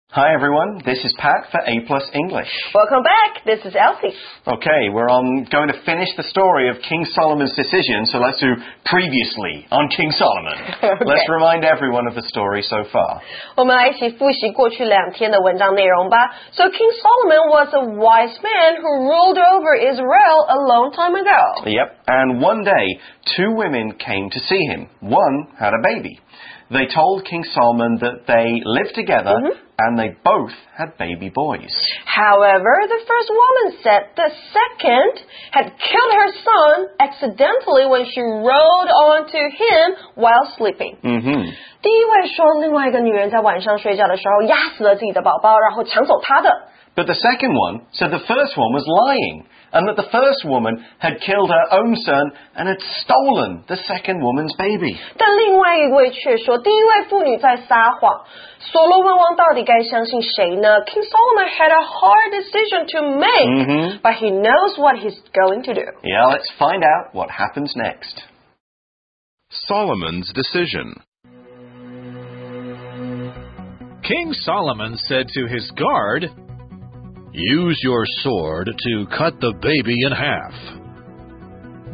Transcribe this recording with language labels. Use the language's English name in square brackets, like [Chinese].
[English] Hi everyone, this is Pat for A Plus English. Welcome back, this is Elsie. Okay, we're going to finish the story of King Solomon's decision, so let's do previously on King Solomon. Okay. Let's remind everyone of the story so far. [Chinese] 我们来一起复习过去两天的文章内容吧。 [English] So King Solomon was a wise man who ruled over Israel a long time ago. Yep, and one day, two women came to see him. One had a baby. They told King Solomon that they lived together,And they both had baby boys. However, the first woman said the second had killed her son accidentally when she rode onto him while sleeping. Mm-hmm. [Chinese] 第一位说另外一个女人在晚上睡觉的时候压死了自己的宝宝，然后抢走她的。 [English] But the second one said the first one was lying, and that the first woman had killed her own son and had stolen the second woman's baby. [Chinese] 但另外一位却说第一位妇女在撒谎。所罗门王到底该相信谁呢? [English] King Solomon had a hard decision to make, but he knows what he's going to do. Yeah, let's find out what happens next. Solomon's decision. King Solomon said to his guard,Use your sword to cut the baby in half.